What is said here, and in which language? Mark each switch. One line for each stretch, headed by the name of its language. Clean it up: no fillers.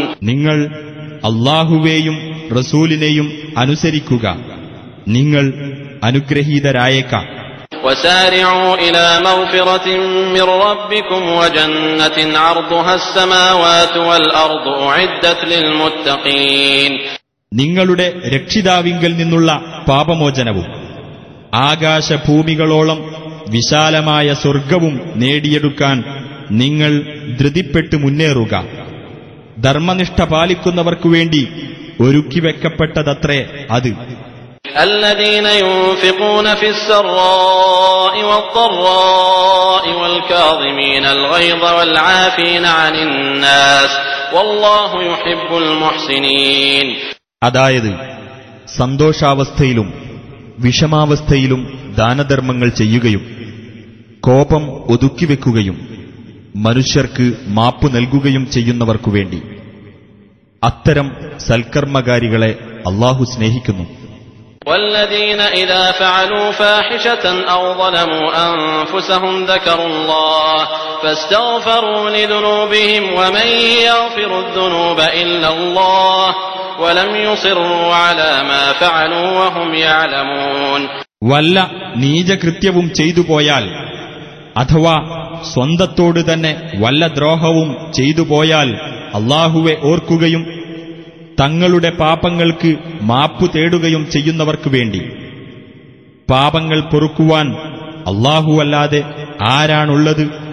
Malayalam: നിങ്ങൾ അല്ലാഹുവേയും റസൂലിനെയും അനുസരിക്കുക, നിങ്ങൾ അനുഗ്രഹീതരായേക്കാം.
Arabic: وسارعوا إلى مغفرة من ربكم وجنة عرضها السماوات والأرض أعدت للمتقين.
Malayalam: നിങ്ങളുടെ രക്ഷിതാവിങ്കിൽ നിന്നുള്ള പാപമോചനവും ആകാശഭൂമികളോളം വിശാലമായ സ്വർഗവും നേടിയെടുക്കാൻ നിങ്ങൾ ധൃതിപ്പെട്ട് മുന്നേറുക. ധർമ്മനിഷ്ഠ പാലിക്കുന്നവർക്കു വേണ്ടി ഒരുക്കിവെക്കപ്പെട്ടതത്രേ അത്.
Arabic: الذين ينفقون في السراء والضراء والكاظمين الغيظ والعافين عن الناس والله يحب المحسنين.
Malayalam: അതായത് സന്തോഷാവസ്ഥയിലും വിഷമാവസ്ഥയിലും ദാനധർമ്മങ്ങൾ ചെയ്യുകയും കോപം ഒതുക്കിവെക്കുകയും മനുഷ്യർക്ക് മാപ്പു നൽകുകയും ചെയ്യുന്നവർക്കുവേണ്ടി. അത്തരം സൽക്കർമ്മകാരികളെ അല്ലാഹു സ്നേഹിക്കുന്നു.
Arabic: والذين اذا فعلوا فاحشه او ظلموا انفسهم ذكروا الله فاستغفروا لذنوبهم ومن يغفر الذنوب الا الله ولم يصروا على ما فعلوا وهم يعلمون.
Malayalam: വല്ല നീചകൃത്യവും ചെയ്തു പോയാൽ അഥവാ സ്വന്തത്തോട് തന്നെ വല്ല ദ്രോഹവും ചെയ്തു പോയാൽ അല്ലാഹുവേ ഓർക്കുകയും തങ്ങളുടെ പാപങ്ങൾക്ക് മാപ്പു തേടുകയും ചെയ്യുന്നവർക്കു വേണ്ടി. പാപങ്ങൾ പൊറുക്കുവാൻ അല്ലാഹുവല്ലാതെ ആരാണുള്ളത്?